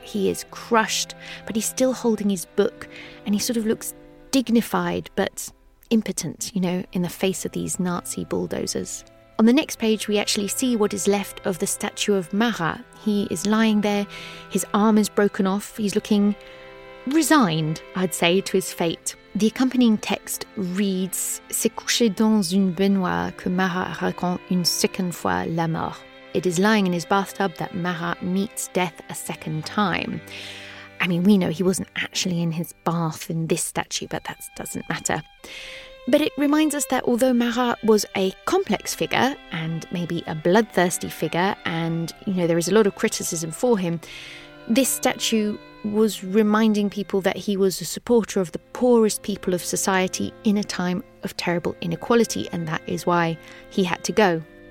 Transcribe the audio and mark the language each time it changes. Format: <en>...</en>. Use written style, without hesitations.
<en>He is crushed, but he's still holding his book, and he sort of looks dignified but impotent, you know, in the face of these Nazi bulldozers. On the next page, we actually see what is left of the statue of Marat. He is lying there, his arm is broken off, he's looking resigned, I'd say, to his fate. The accompanying text reads,</en> <fr>"C'est couché dans une baignoire que Marat raconte une seconde fois la mort."</fr> <en>It is lying in his bathtub that Marat meets death a second time. I mean, we know he wasn't actually in his bath in this statue, but that doesn't matter. But it reminds us that although Marat was a complex figure and maybe a bloodthirsty figure, and, you know, there is a lot of criticism for him, this statue was reminding people that he was a supporter of the poorest people of society in a time of terrible inequality, and that is why he had to go.</en>